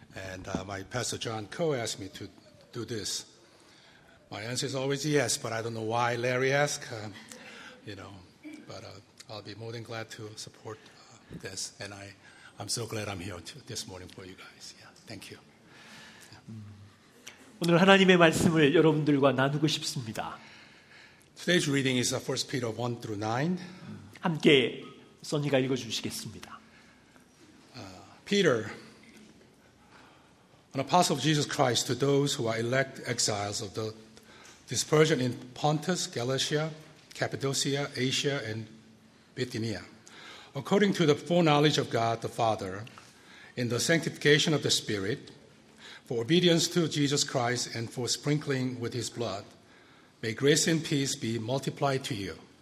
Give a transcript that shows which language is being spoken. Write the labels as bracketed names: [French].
[English] And my pastor, John Coe, asked me to do this. My answer is always yes, but I don't know why Larry asked, but I'll be more than glad to support this. And I'm so glad I'm here this morning for you guys. Yeah, thank you. [Korean] 오늘 하나님의 말씀을 여러분들과 나누고 싶습니다. [English] Today's reading is 1 Peter 1 through 9. [Korean] 함께 써니가 읽어주시겠습니다. [English] Peter, an apostle of Jesus Christ, to those who are elect exiles of the dispersion in Pontus, Galatia, Cappadocia, Asia, and Bithynia, according to the foreknowledge of God the Father, in the sanctification of the Spirit, for obedience to Jesus Christ and for sprinkling with his blood, may grace and peace be multiplied to you.